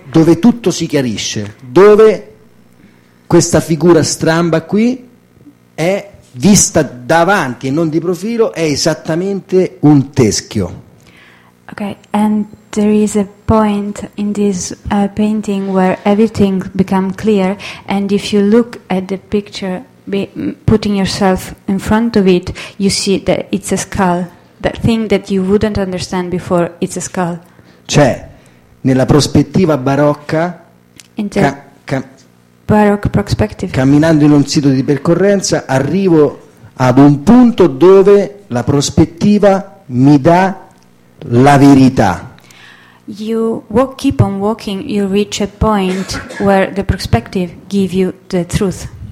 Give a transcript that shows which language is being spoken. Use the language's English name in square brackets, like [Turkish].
[Italian] Dove tutto si chiarisce, dove questa figura stramba qui è vista davanti e non di profilo, è esattamente un teschio. [English] Okay, and there is a point in this painting where everything becomes clear, and if you look at the picture, putting yourself in front of it, you see that it's a skull. That thing that you wouldn't understand before, it's a skull. [Italian] Cioè, nella prospettiva barocca, [English] in the baroque perspective, [Italian] camminando in un sito di percorrenza, arrivo ad un punto dove la prospettiva mi dà la verità. [English] You walk, keep on walking, you reach a point where the perspective give you the truth.